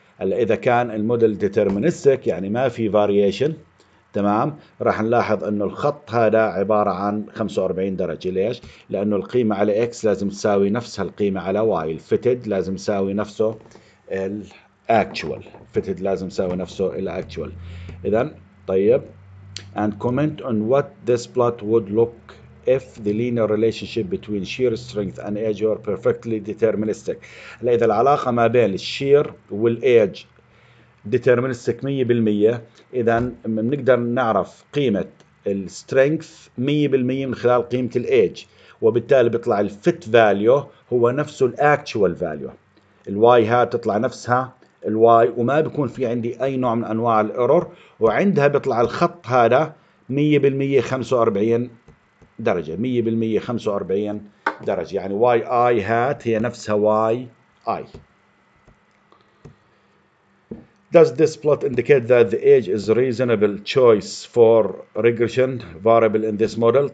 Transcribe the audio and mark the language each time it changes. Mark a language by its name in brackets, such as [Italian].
[Arabic] هلا إذا كان الموديل ديترمينستك، يعني ما في فاريشن، تمام، راح نلاحظ إنه الخط هذا عبارة عن 45 درجة. ليش؟ لأنه القيمة على X لازم تساوي نفسها القيمة على Y، الفيتد لازم تساوي نفسه ال actual، فيتد لازم تساوي نفسه ال actual. إذن طيب، [English] and comment on what this plot would look if the linear relationship between shear strength and age were perfectly deterministic. [Arabic] إذا العلاقة ما بين الشير والإيج deterministic 100%، إذن بنقدر نعرف قيمة الـ strength 100% من خلال قيمة الـ age، وبالتالي بيطلع الـ fit value هو نفسه الـ actual value. الـ y hat تطلع نفسها الـ y، وما بيكون في عندي أي نوع من أنواع الـ error، وعندها بيطلع الخط هذا 100% 45 درجة، 100% 45 درجة، يعني y i hat هي نفسها y i. [English] Does this plot indicate that the age is reasonable choice for regression variable in this model?